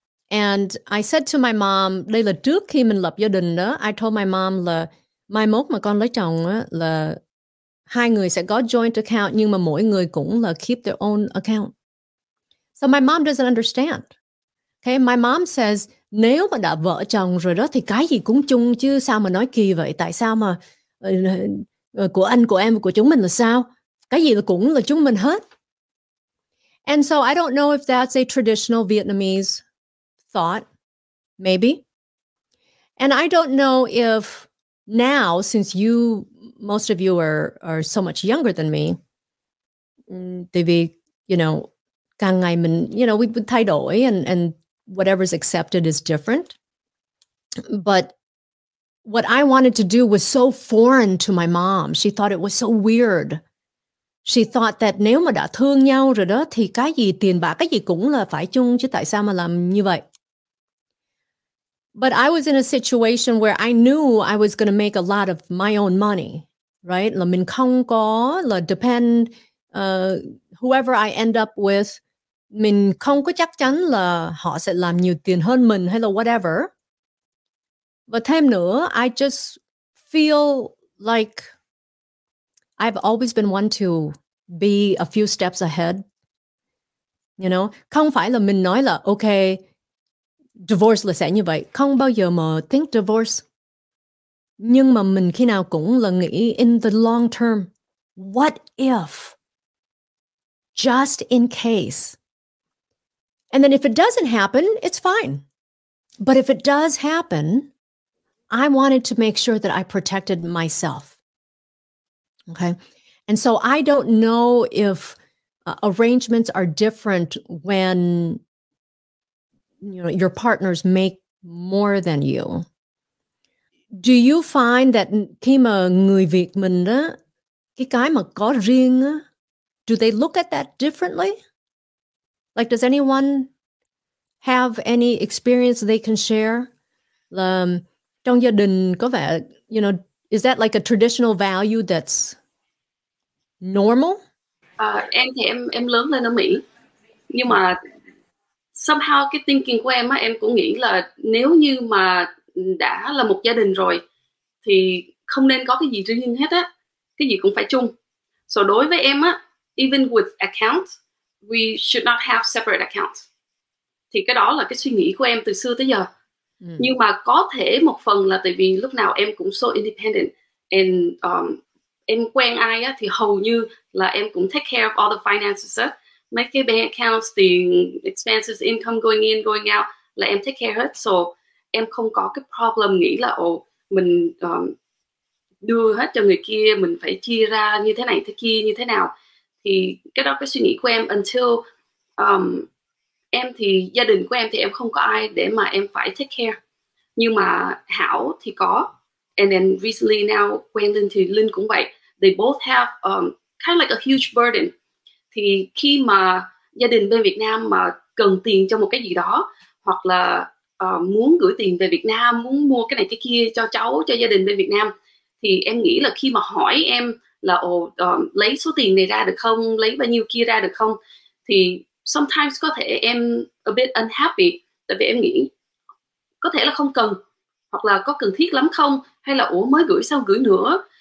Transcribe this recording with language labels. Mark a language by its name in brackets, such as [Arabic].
[English] And I said to my mom, [Vietnamese] đây là trước khi mình lập gia đình đó, [English] I told my mom [Vietnamese] là mai mốt mà con lấy chồng á, là hai người sẽ có joint account, nhưng mà mỗi người cũng là [English] keep their own account. So my mom doesn't understand. Okay, my mom says, [Vietnamese] nếu mà đã vợ chồng rồi đó thì cái gì cũng chung chứ sao mà nói kỳ vậy? Tại sao mà của anh, của em, của chúng mình là sao? Cái gì là cũng là chúng mình hết. [English] And so I don't know if that's a traditional Vietnamese thought, maybe. And I don't know if now, since you, most of you are so much younger than me, maybe, you know, [Vietnamese] càng ngày mình, [English] you know, we [Vietnamese] thay đổi [English] and whatever's accepted is different. But what I wanted to do was so foreign to my mom. She thought it was so weird. She thought that [Vietnamese] nếu mà đã thương nhau rồi đó thì cái gì tiền bạc cái gì cũng là phải chung chứ tại sao mà làm như vậy. [English] But I was in a situation where I knew I was going to make a lot of my own money, right? [Vietnamese] Là mình không có là [English] depend whoever I end up with. [Vietnamese] Mình không có chắc chắn là họ sẽ làm nhiều tiền hơn mình hay là whatever. Và thêm nữa, [English] I just feel like I've always been one to be a few steps ahead. You know, [Vietnamese] không phải là mình nói là okay, divorce là sẽ như vậy. Không bao giờ mà [English] think divorce. [Vietnamese] Nhưng mà mình khi nào cũng là nghĩ [English] in the long term, what if, just in case. And then if it doesn't happen, it's fine. But if it does happen, I wanted to make sure that I protected myself. Okay. And so I don't know if arrangements are different when, you know, your partners make more than you. Do you find that [Vietnamese] khi mà người Việt mình đó, cái mà có riêng, [English] do they look at that differently? Like, does anyone have any experience they can share? [Vietnamese] Trong gia đình có vẻ, [English] you know, is that like a traditional value that's normal? [Vietnamese] Em thì em lớn lên ở Mỹ. Nhưng mà somehow cái thinking của em á, em cũng nghĩ là nếu như mà đã là một gia đình rồi thì không nên có cái gì riêng hết á. Cái gì cũng phải chung. [English] So [Vietnamese] đối với em á, [English] even with account, we should not have separate accounts. [Vietnamese] Thì cái đó là cái suy nghĩ của em từ xưa tới giờ. Nhưng mà có thể một phần là tại vì lúc nào em cũng [English] so independent and [Vietnamese] em quen ai á, thì hầu như là em cũng [English] take care of all the finances [Vietnamese] á. Mấy cái [English] bank accounts, the expenses, income going in, going out [Vietnamese] là em [English] take care [Vietnamese] hết. So em không có cái problem nghĩ là mình đưa hết cho người kia, mình phải chia ra như thế này, thế kia, như thế nào. Thì cái đó cái suy nghĩ của em until em thì gia đình của em thì em không có ai để mà em phải take care. Nhưng mà Hảo thì có. [English] And then recently now, [Vietnamese] quen Linh thì Linh cũng vậy. [English] They both have kind of like a huge burden. [Vietnamese] Thì khi mà gia đình bên Việt Nam mà cần tiền cho một cái gì đó, hoặc là muốn gửi tiền về Việt Nam, muốn mua cái này cái kia cho cháu, cho gia đình bên Việt Nam, thì em nghĩ là khi mà hỏi em là lấy số tiền này ra được không, lấy bao nhiêu kia ra được không, thì sometimes có thể em [English] a bit unhappy, [Vietnamese] tại vì em nghĩ có thể là không cần, hoặc là có cần thiết lắm không, hay là mới gửi sao gửi nữa.